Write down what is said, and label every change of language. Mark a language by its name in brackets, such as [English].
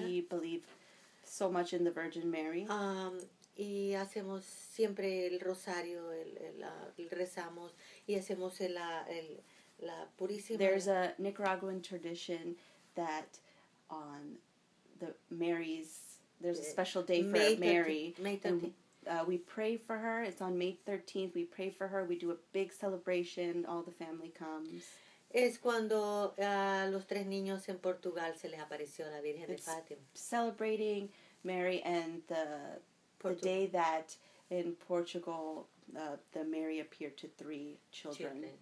[English] We believe so much in the Virgin Mary. [Spanish] Y hacemos siempre el rosario, rezamos y hacemos la purísima. [English] There's a Nicaraguan tradition that on the Mary's, there's a special day for Mary. May 13th. We pray for her. It's on May 13th. We pray for her. We do a big celebration. All the family comes. [Spanish] Es cuando a los tres niños en Portugal se les apareció la Virgen [English] it's [Spanish] de Fátima. [English] Celebrating Mary and the day that in Portugal the Mary appeared to three children.